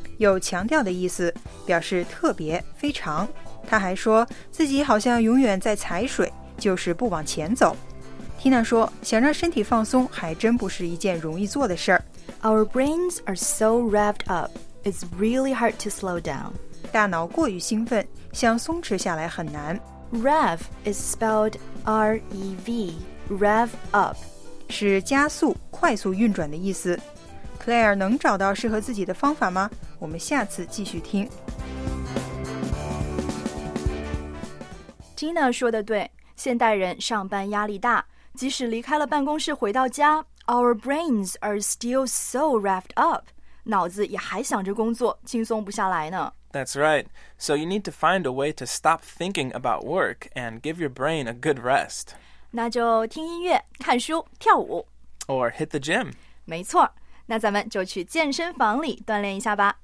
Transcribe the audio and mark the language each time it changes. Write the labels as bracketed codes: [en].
[zh] 有强调的意思，表示特别，非常。她还说自己好像永远在踩水，就是不往前走。 Tina 说想让身体放松还真不是一件容易做的事儿。 [en] Our brains are so revved up, it's really hard to slow down. [zh] 大脑过于兴奋，想松弛下来很难。 [en] Rev is spelled R-E-V, rev up. [zh] 是加速、快速运转的意思。 Claire 能找到适合自己的方法吗？我们下次继续听。 Tina 说的对，现代人上班压力大，即使离开了办公室回到家， [en] Our brains are still so revved up. [zh] 脑子也还想着工作，轻松不下来呢。 [en] That's right. So you need to find a way to stop thinking about work and give your brain a good rest. [zh] 那就听音乐、看书、跳舞。 [en] Or hit the gym. [zh] 没错，那咱们就去健身房里锻炼一下吧。